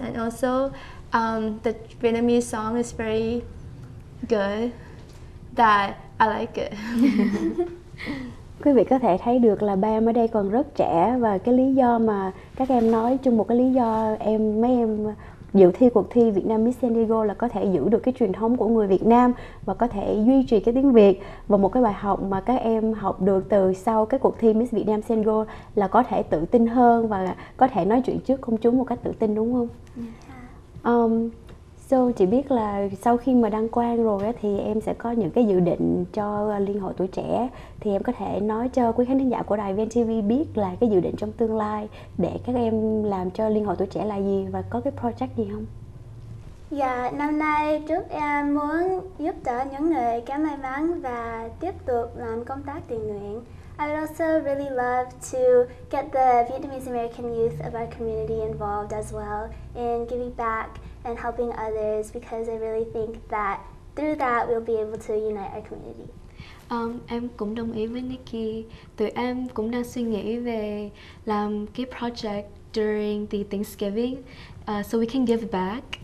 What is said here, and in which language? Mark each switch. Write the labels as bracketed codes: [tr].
[en] And also the Vietnamese song is very good, that I like it. [vi] Quý vị có thể thấy được là ba em ở đây còn rất trẻ, và cái lý do mà các em nói chung, một cái lý do mấy em dự thi cuộc thi Việt Nam Miss San Diego là có thể giữ được cái truyền thống của người Việt Nam và có thể duy trì cái tiếng Việt. Và một cái bài học mà các em học được từ sau cái cuộc thi Miss Việt Nam San Diego là có thể tự tin hơn và có thể nói chuyện trước công chúng một cách tự tin, đúng không? So chị biết là sau khi mà đăng quang rồi á, thì em sẽ có những cái dự định cho Liên hội Tuổi Trẻ. Thì em có thể nói cho quý khán giả của đài VNTV biết là cái dự định trong tương lai để các em làm cho Liên hội Tuổi Trẻ là gì và có cái project gì không? Dạ, năm nay trước em muốn giúp đỡ những người kém may mắn và tiếp tục làm công tác tình nguyện. [en] I would also really love to get the Vietnamese American youth of our community involved as well in giving back and helping others, because I really think that through that we'll be able to unite our community. [vi] Em cũng đồng ý với Nikki. Tụi em cũng đang suy nghĩ về làm cái project [en] during the Thanksgiving, so we can give back.